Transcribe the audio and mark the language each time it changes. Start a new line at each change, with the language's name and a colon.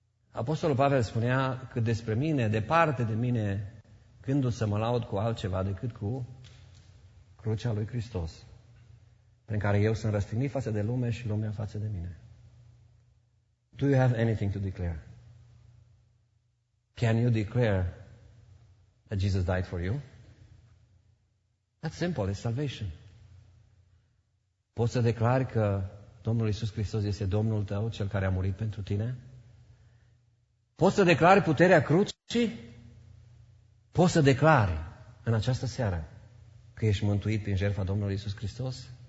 Romanian: Apostolul Pavel spunea că despre mine, departe de mine, gândul să mă laud cu altceva decât cu crucea lui Hristos, prin care eu sunt răstignit față de lume și lumea față de mine.
English: Do you have anything to declare? Can you declare that Jesus died for you? That's simple, it's salvation.
Romanian: Poți să declari că Domnul Iisus Hristos este Domnul tău, Cel care a murit pentru tine? Poți să declari puterea crucii? Poți să declari în această seară că ești mântuit prin jertfa Domnului Iisus Hristos?